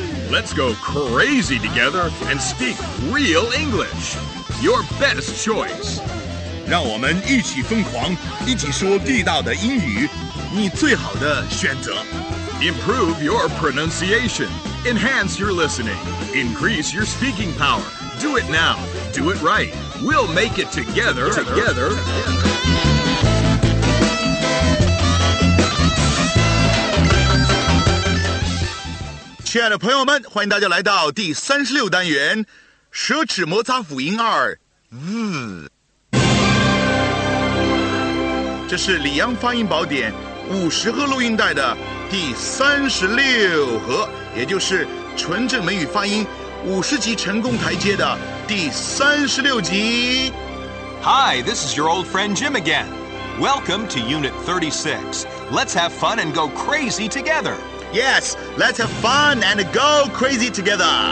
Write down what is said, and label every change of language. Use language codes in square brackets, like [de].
[en] Let's go crazy together and speak real English. Your best choice. [zh] 让我们一起疯狂，一起说地道的英语，你最好的选择。 [en] Improve your pronunciation. Enhance your listening. Increase your speaking power. Do it now. Do it right. We'll make it together. Together. [zh] 亲爱的朋友们，欢迎大家来到第36单元舌齿摩擦辅音二 Z。这是李阳发音宝典50个录音带的第36盒，也就是纯正美语发音50级成功台阶的第36级。 [en] Hi, this is your old friend Jim again. Welcome to Unit 36. Let's have fun and go crazy together. Yes, let's have fun and go crazy together.